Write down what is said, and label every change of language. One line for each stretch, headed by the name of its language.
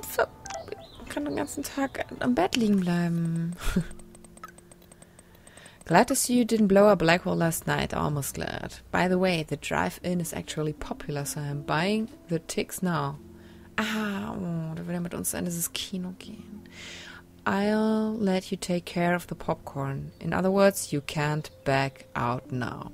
German: Ich kann den ganzen Tag am Bett liegen bleiben.
English: Glad to see you didn't blow up Blackwell last night. Almost glad. By the way, the drive-in is actually popular, so I'm buying the tickets now.
German: Ah, oh, da will er mit uns in dieses Kino gehen.
English: I'll let you take care of the popcorn. In other words, you can't back out now.